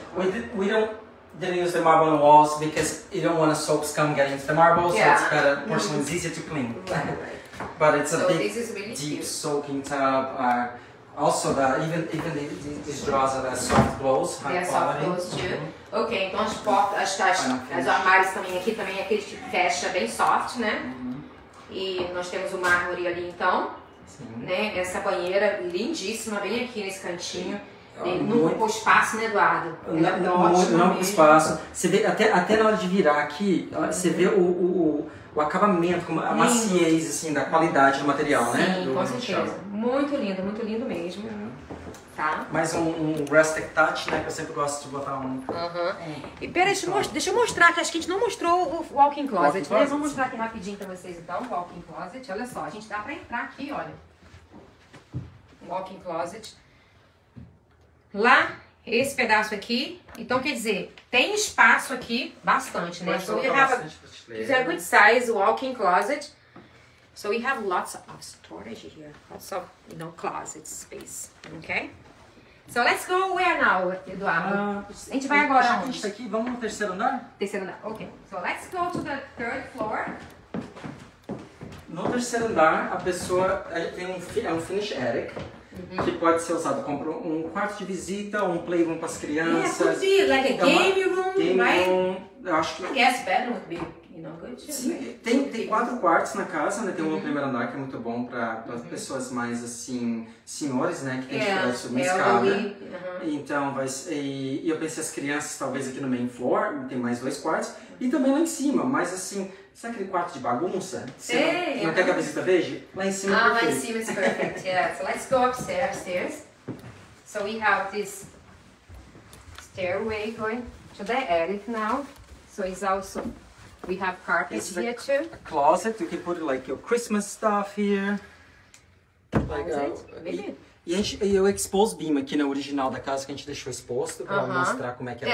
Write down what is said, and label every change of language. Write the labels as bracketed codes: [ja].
[en] We didn't use the marble on the walls because you don't want the soap scum getting into the marble, yeah. so it's better porcelain is easier to clean. Right. But it's so a big this is really deep cute. Soaking tub. Also, the even these drawers are the soft close, high quality. Soft close too. Mm-hmm. [pt] Ok, então as portas, as armários também aqui, também é aquele que fecha bem soft, né? Uhum. E nós temos o mármore ali então. Sim. Né? Essa banheira lindíssima, bem aqui nesse cantinho. Sim. Não ocupou espaço, né, Eduardo? Não ocupou espaço. Você vê, até na hora de virar aqui, você vê o acabamento, como a maciez assim, da qualidade do material, sim, né? Sim, com do certeza. Muito lindo mesmo. Tá? Mais um rustic touch, né, que eu sempre gosto de botar um. Uhum. E peraí, deixa eu mostrar, que acho que a gente não mostrou o walk-in closet, né? Vamos mostrar aqui rapidinho pra vocês, então, o walk-in closet. Olha só, a gente dá pra entrar aqui, olha. Walk-in closet. Lá, esse pedaço aqui, então quer dizer, tem espaço aqui, bastante, né? [en] So we have a good size walk-in closet. So we have lots of storage here, lots of, you know, closet space, okay? So let's go where now, Eduardo? [pt] A gente vai agora onde? Isso aqui, vamos no terceiro andar? Terceiro andar, ok. [en] So let's go to the third floor. [pt] No terceiro andar, a pessoa tem um finish attic. Uhum. Que pode ser usado como um quarto de visita, um playroom para as crianças. [en] Yeah, could be like a game room, right? Game room, right? [pt] Eu acho que... [en] I guess bedroom would be, you know, good. [pt] Sim, tem quatro quartos na casa, né? Tem um no primeiro andar que é muito bom para pessoas mais, assim, senhores, né? Que tem dificuldade de subir uma escada. Uhum. Então, vai ser... E eu pensei as crianças, talvez, aqui no main floor, tem mais dois quartos. E também lá em cima, mas assim... Sabe aquele quarto de bagunça? Sim! Não quer que a visita veja? Lá em cima é perfeito. Lá em cima é perfeito, [en] yeah. So let's go upstairs. So we have this stairway going to the attic now. So it's also, we have carpets here too. A closet, you can put like your Christmas stuff here. Closet, maybe. [pt] E o exposed beam aqui na original da casa que a gente deixou exposto pra mostrar como é que era.